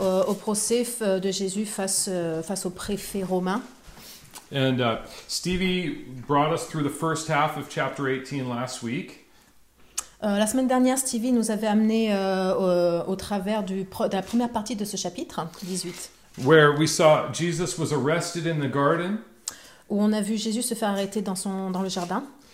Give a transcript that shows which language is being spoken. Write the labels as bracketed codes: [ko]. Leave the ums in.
[fr] euh, au procès de Jésus face, euh, face au préfet romain. [en] And, uh, Stevie brought us through the first half of chapter 18 last week. [fr] la semaine dernière, Stevie nous avait amené au, au, travers du, de la première partie de ce chapitre 18. [en] Where we saw Jesus was arrested in the garden, [fr] où on a vu Jésus se faire arrêter dans son, dans le jardin.